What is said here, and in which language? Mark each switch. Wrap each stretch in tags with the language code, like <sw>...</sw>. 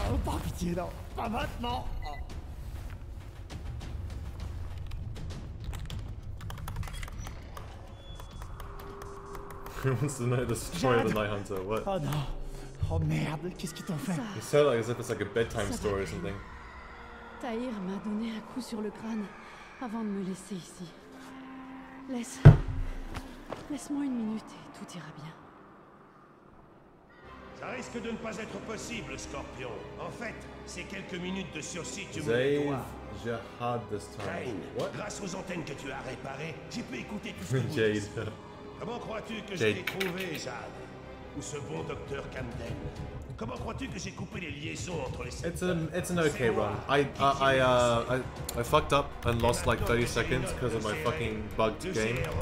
<fr>Oh, par pitié, non. Pas maintenant.</fr> <en>Who wants to know the story of the Night Hunter? What?</en> <fr>Oh no! Oh merde! Qu'est-ce qu'ils t'ont fait?</fr> <en>It's so like as if it's like a bedtime story or something.</en> <fr>Tahir m'a donné un coup sur le crâne avant de me laisser ici. Laisse. Laisse-moi une minute et tout ira bien. Ça risque de ne pas être possible, Scorpion. En fait, ces quelques minutes de sursis, tu me les dois. Jihad the</fr> <en>Strange.</en> <fr>Grâce aux antennes que tu as réparées, j'ai pu écouter tout ce que tu dis. Comment crois-tu que je l'ai trouvé, Jad? Ou ce bon docteur Camden? Comment crois-tu que j'ai coupé les liaisons entre les secteurs?</fr> <en>It's an okay run. I fucked up and lost like 30 seconds because of my fucking bugged game.</en>